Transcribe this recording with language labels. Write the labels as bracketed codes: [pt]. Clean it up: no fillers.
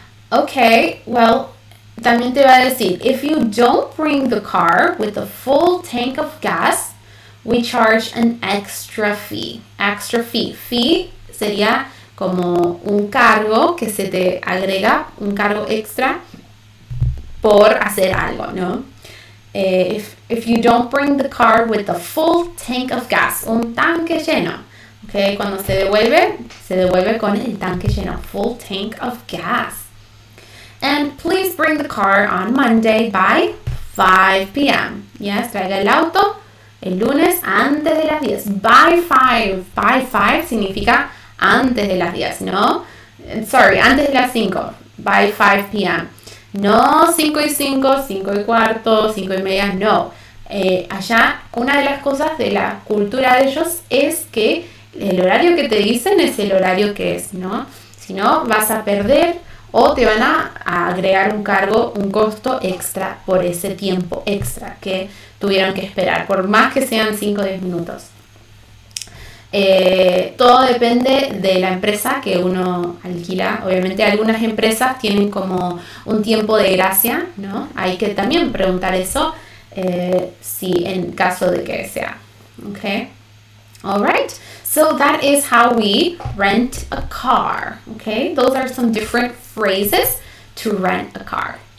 [en] Okay, well, [es] también te va a decir, [en] if you don't bring the car with a full tank of gas, we charge an extra fee. Extra fee. [es] Fee sería como un cargo que se te agrega, un cargo extra por hacer algo, ¿no? [en] If you don't bring the car with a full tank of gas, [es] un tanque lleno, [en] okay? [es] Cuando se devuelve con el tanque lleno, [en] full tank of gas. And please bring the car on Monday by 5 p.m. Yes, [es] traiga el auto El lunes antes de las 10. [en] By 5. By 5 [es] significa antes de las 10, ¿no? Sorry, antes de las 5. [en] By 5 p.m. [es] No 5 y 5, 5 y cuarto, 5 y media, no. Allá, una de las cosas de la cultura de ellos es que el horario que te dicen es el horario que es, ¿no? Si no, vas a perder o te van a agregar un cargo, un costo extra por ese tiempo extra que tuvieron que esperar, por más que sean 5 o 10 minutos. Todo depende de la empresa que uno alquila. Obviamente algunas empresas tienen como un tiempo de gracia, ¿no? Hay que también preguntar eso, si en caso de que sea. [en] Okay. All right. So that is how we rent a car. Okay. Those are some different phrases to rent a car.